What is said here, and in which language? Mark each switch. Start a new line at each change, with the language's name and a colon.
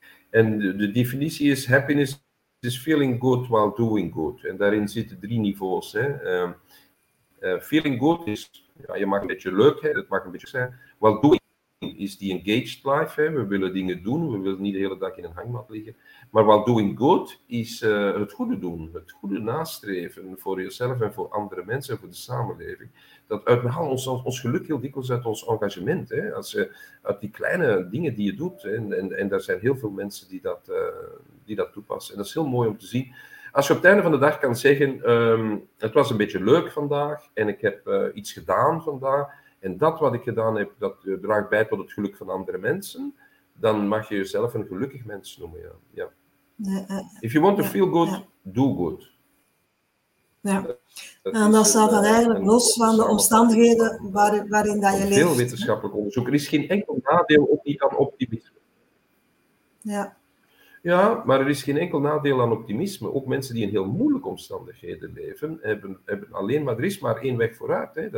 Dutch: En de definitie is:
English: happiness is feeling good while doing good.
Dutch: En daarin zitten drie niveaus. Hè.
English: Feeling good
Dutch: is, ja, je mag een beetje leuk hebben, het mag een beetje zijn.
English: While doing
Dutch: is die engaged life, hè. We willen dingen doen, we willen niet de hele dag in een hangmat liggen. Maar
English: while doing good
Dutch: is het goede doen, het goede nastreven voor jezelf en voor andere mensen en voor de samenleving. We halen ons geluk heel dikwijls uit ons engagement, hè. Uit die kleine dingen die je doet. Hè. En daar zijn heel veel mensen die dat toepassen. En dat is heel mooi om te zien. Als je op het einde van de dag kan zeggen, het was een beetje leuk vandaag en ik heb iets gedaan vandaag, en dat wat ik gedaan heb, dat draagt bij tot het geluk van andere mensen, dan mag je jezelf een gelukkig mens noemen. Ja. Ja.
English: If you want to feel good, do good.
Dutch: Ja. Dat staat dan eigenlijk los van de omstandigheden waarin dat je leeft. Veel wetenschappelijk onderzoek. Er is geen enkel nadeel op die aan optimisme. Ja. Ja, maar er is geen enkel nadeel aan optimisme. Ook mensen die in heel moeilijke omstandigheden leven, hebben alleen maar, er is maar één weg vooruit. Hè.